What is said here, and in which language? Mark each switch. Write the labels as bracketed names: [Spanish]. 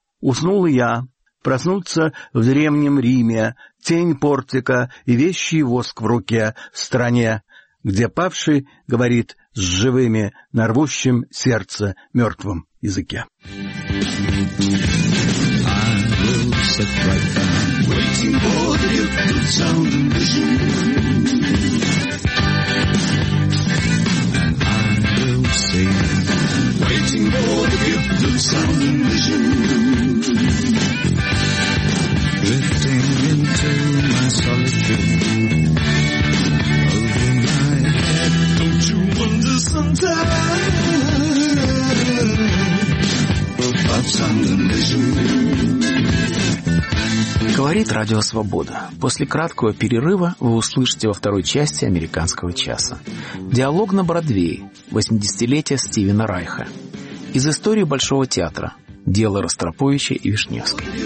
[Russian] Уснул я, проснуться в древнем Риме, тень портика и вещий воск в руке, в стране, где павший говорит с живыми на рвущем сердце мертвом языке. [English] Waiting for the acute sound and vision, and I will say, waiting for the acute sound and vision, drifting into my solitude. Over my head, don't you wonder sometimes about sound and vision? [Russian] Говорит Радио Свобода. После краткого перерыва вы услышите во второй части «Американского часа». Диалог на Бродвее. 80-летие Стивена Райха. Из истории Большого театра. Дело Ростроповича и Вишневской.